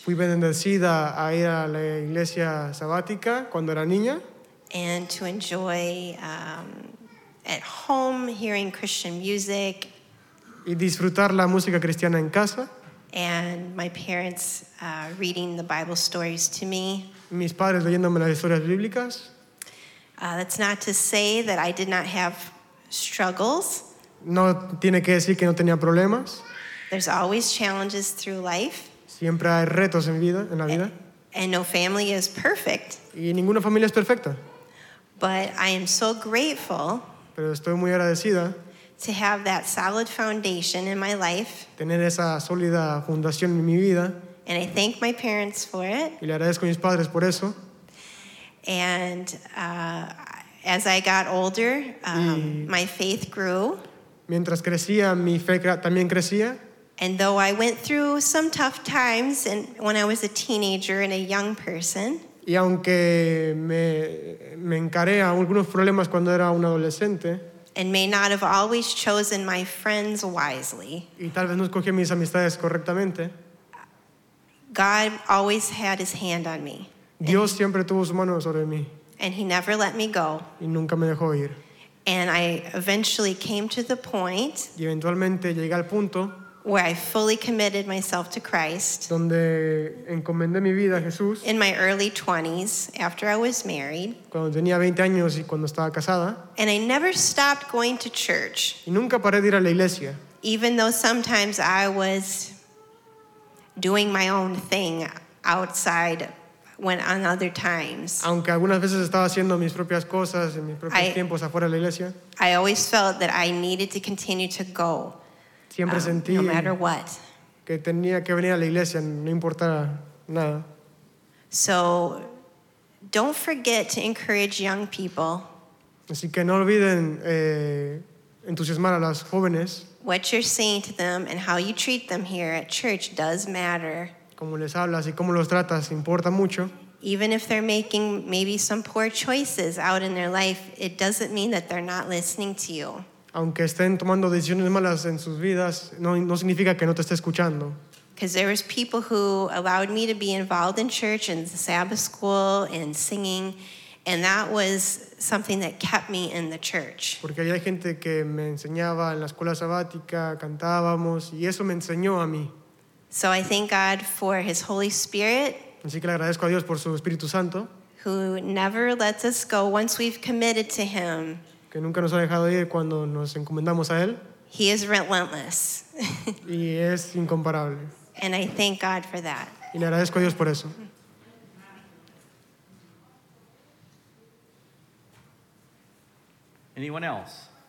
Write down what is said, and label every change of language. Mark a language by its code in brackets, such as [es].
[es] Fui bendecida a ir a la iglesia sabática cuando era niña. [en] And to enjoy at home hearing Christian music. [es] Y disfrutar la música cristiana en casa. [en] And my parents reading the Bible stories to me. [es] Mis padres leyéndome las historias bíblicas. [en] That's not to say that I did not have struggles. [es] No tiene que decir que no tenía problemas. [en] There's always challenges through life. [es] Siempre hay retos en vida, en la vida. [en] And no family is perfect. [es] Y ninguna familia es perfecta. [en] But I am so grateful. [es] Pero estoy muy agradecida. [en] To have that solid foundation in my life. [es] Tener esa sólida fundación en mi vida. [en] And I thank my parents for it. [es] Y le agradezco a mis padres por eso. [en] And as I got older, my faith grew. [es] Mientras crecía, mi fe también crecía. [en] And though I went through some tough times and when I was a teenager and a young person, [es] y aunque me encaré a algunos problemas cuando era un adolescente, [en] and may not have always chosen my friends wisely, [es] y tal vez no escogí mis amistades correctamente, [en] God always had his hand on me. [es] Dios siempre tuvo su mano sobre mí. [en] And he never let me go. [es] Y nunca me dejó ir. [en] And I eventually came to the point, [es] y eventualmente llegué al punto, [en] where I fully committed myself to Christ. [es] Donde encomendé mi vida a Jesús. [en] In my early 20s, after I was married. [es] Cuando tenía 20 años y cuando estaba casada. [en] And I never stopped going to church. [es] Y nunca paré de ir a la iglesia. [en] Even though sometimes I was doing my own thing outside when on other times. [es] Aunque algunas veces estaba haciendo mis propias cosas en mis propios tiempos afuera de la iglesia. [en] I always felt that I needed to continue to go. [es] Siempre sentí [en] no matter what. [es] Que tenía que venir a la iglesia, no importara nada. [en] So, don't forget to encourage young people. [es] Así que no olviden entusiasmar a las jóvenes. [en] What you're saying to them and how you treat them here at church does matter. [es] Cómo les hablas y cómo los tratas importa mucho. [en] Even if they're making maybe some poor choices out in their life, it doesn't mean that they're not listening to you. [es] Aunque estén tomando decisiones malas en sus vidas, no significa que no te esté escuchando. [en] Because there was people who allowed me to be involved in church and Sabbath school and singing, and that was something that kept me in the church. [es] Porque había gente que me enseñaba en la escuela sabática, cantábamos, y eso me enseñó a mí. [en] So I thank God for His Holy Spirit. [es] Así que le agradezco a Dios por su Espíritu Santo. [en] Who never lets us go once we've committed to Him. [es] Que nunca nos ha dejado ir cuando nos encomendamos a él. [en] He is relentless. [es] Y es incomparable. [en] And I thank God for that. [es] Y le agradezco a Dios por eso. [en] Anyone else?